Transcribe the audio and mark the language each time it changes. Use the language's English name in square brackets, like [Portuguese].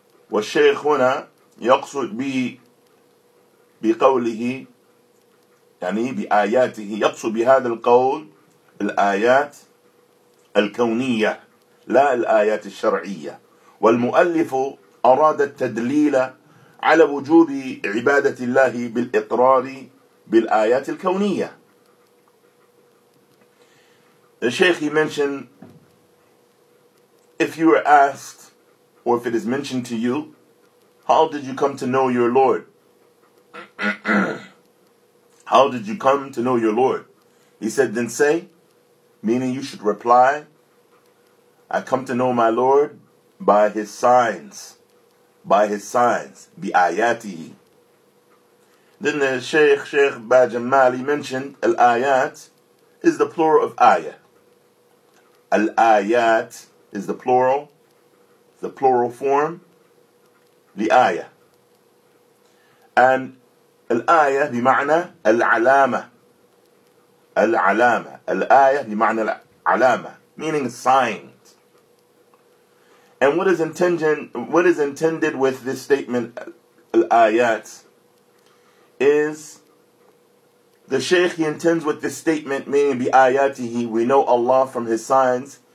[Arabic] والشيخ هنا يقصد بقوله يعني بآياته, يقصد بهذا القول الآيات الكونية لا الآيات الشرعية. والمؤلف أراد التدليل على وجوب عبادة الله بالإقرار بالآيات الكونية. [English] The Sheikh, he mentioned, if you were asked, or if it is mentioned to you, how did you come to know your Lord? How did you come to know your Lord? He said, then say, meaning you should reply, I come to know my Lord by his signs. By his signs. بآياته. Then the Sheikh Bajamali mentioned, الآيات is the plural of آية. الآيات is the plural form, لآية. [Arabic] And الآية بمعنى العلامة. العلامة, الآية بمعنى العلامة, [English] meaning signs. And what is intended with this statement, الآيات, is The Shaykh, he intends with this statement, meaning bi ayatihi, we know Allah from his signs.